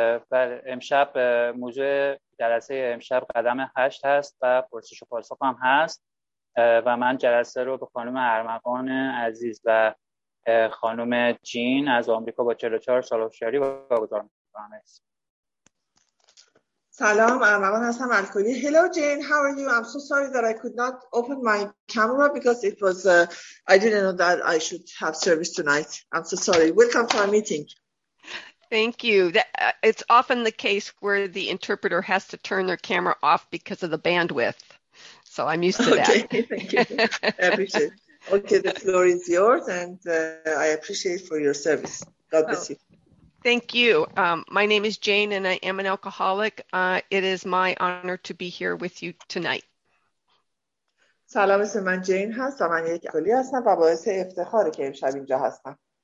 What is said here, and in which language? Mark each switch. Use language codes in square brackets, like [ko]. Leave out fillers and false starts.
[fa] بله، امشب موضوع جلسه امشب قدم 8 هست و پرسش و پاسخ هم هست و من جلسه رو به خانم ارمغان عزیز و خانم جین از آمریکا با 44 سال هوشیاری واگذار می‌کنم. سلام، ارمغان هستم الکلی. [en] Hello Jane, how are you? I'm so sorry that I could not open my camera because it was I didn't know that I should have service tonight. I'm so sorry. Welcome to our meeting. Thank you. It's often the case where the interpreter has to turn their camera off because of the bandwidth. So I'm used to that. Okay, thank you. I appreciate it. Okay, the floor is yours, and I appreciate for your service. God bless you. Thank you. My name is Jane, and I am an alcoholic. It is my honor to be here with you tonight. [fa] سلام، اسم من جین هست و من یک الکلی هستم و باعث افتخاره که امشب اینجا هستم.